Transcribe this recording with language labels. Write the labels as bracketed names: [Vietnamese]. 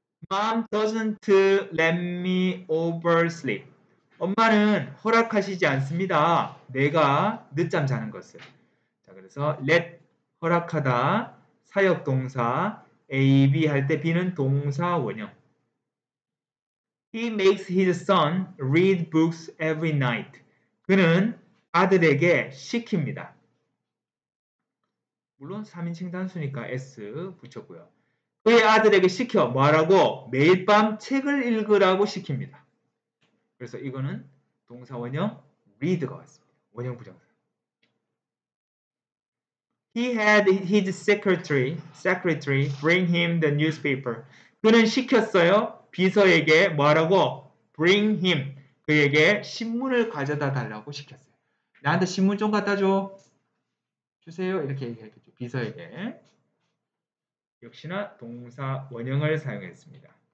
[English] Mom doesn't let me oversleep. [Korean] 엄마는 허락하시지 않습니다. 내가 늦잠 자는 것을. 자, 그래서 let 허락하다 사역 동사 AB 할 때 B는 동사 원형. [English] He makes his son read books every night. [Korean] 그는 아들에게 시킵니다. 물론 3인칭 단수니까 S 붙였고요. 그의 아들에게 시켜 뭐하라고? 매일 밤 책을 읽으라고 시킵니다. 그래서 이거는 동사원형 read가 왔습니다. 원형 부정사. [English] He had his secretary bring him the newspaper. [Korean] 그는 시켰어요. 비서에게 뭐라고? [English] Bring him. [Korean] 그에게 신문을 가져다 달라고 시켰어요. 나한테 신문 좀 갖다 줘. 주세요. 이렇게 얘기했죠. 비서에게. 역시나 동사 원형을 사용했습니다.